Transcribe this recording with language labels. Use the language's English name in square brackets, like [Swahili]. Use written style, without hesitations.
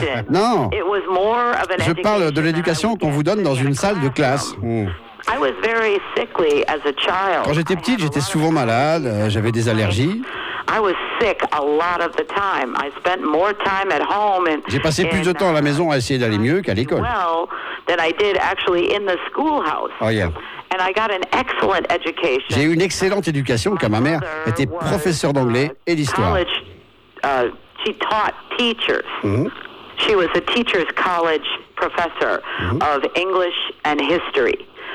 [French] Non, je parle de l'éducation qu'on vous donne dans une salle de classe. [English] I was very sickly as a child. [French] Quand j'étais petite, j'étais souvent malade, j'avais des allergies. [English] I was sick a lot of the time. I spent more time at home and [French] j'ai passé plus de temps à la maison à essayer d'aller mieux qu'à l'école. [English] Well, than I did actually in the schoolhouse. Oh yeah. And I got an excellent education. [French] J'ai eu une excellente éducation car ma mère était professeure d'anglais et d'histoire. [English] College, she taught teachers. She was a teacher's college professor of English and history.